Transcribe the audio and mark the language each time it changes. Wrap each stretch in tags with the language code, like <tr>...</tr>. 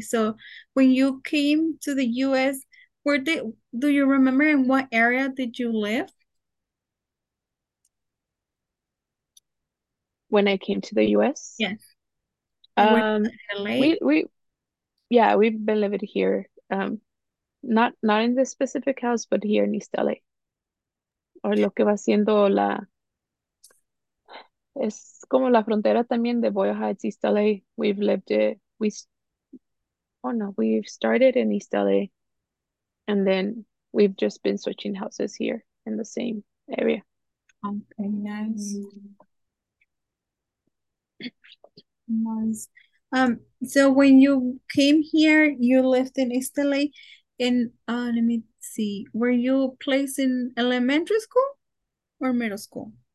<en>So when you came to the US, where did do you remember in what area did you live? When I came to the US, Yes. Like where LA? we've been living here, not in this specific house, but here in East LA.</en> <es>Or lo que va siendo la es como la frontera también de Boyle Heights, East LA.</es> <en>We've lived it. We've started in East LA, and then we've just been switching houses here in the same area. Okay, nice. Nice. So when you came here, you lived in East LA, and let me see, were you placed in elementary school or middle school?</en>